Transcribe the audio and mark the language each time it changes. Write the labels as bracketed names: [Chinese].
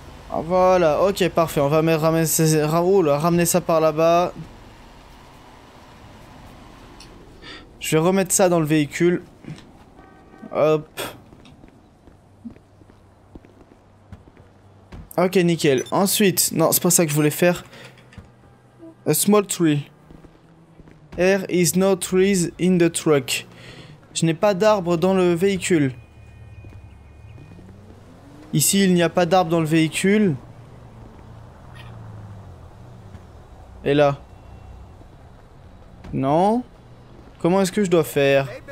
[French] Voilà, ok, parfait. On va ramener ça par là-bas. Je vais remettre ça dans le véhicule. Hop. Ok, nickel. Ensuite, non, c'est pas ça que je voulais faire. [English] A small tree. There is no trees in the truck. [French] Je n'ai pas d'arbre dans le véhicule. Ici, il n'y a pas d'arbre dans le véhicule. Et là? Non. Comment est-ce que je dois faire?